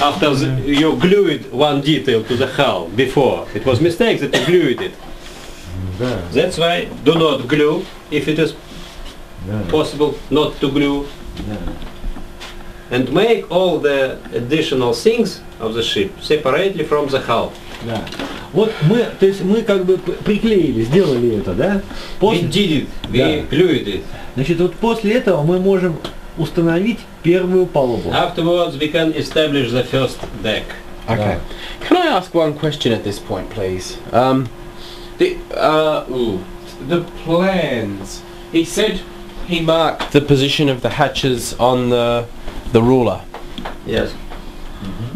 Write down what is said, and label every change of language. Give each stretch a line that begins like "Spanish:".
English: After you glued one detail to the hull before, it was a mistake that you glued it. That's why do not glue if it is possible not to glue. And make all the additional things of the ship separately from the hull.
Russian: Вот мы, то есть мы как бы приклеили, сделали это, да? После,
English: we did it, we
Russian: да.
English: Glued it.
Russian: Значит, вот после этого мы можем установить первую палубу.
English: Afterwards we can establish the first deck. Okay.
Russian: Да.
English: Can I ask one question at this point, please? The plans. He said he marked the position of the hatches on the ruler. Yes. Mm-hmm.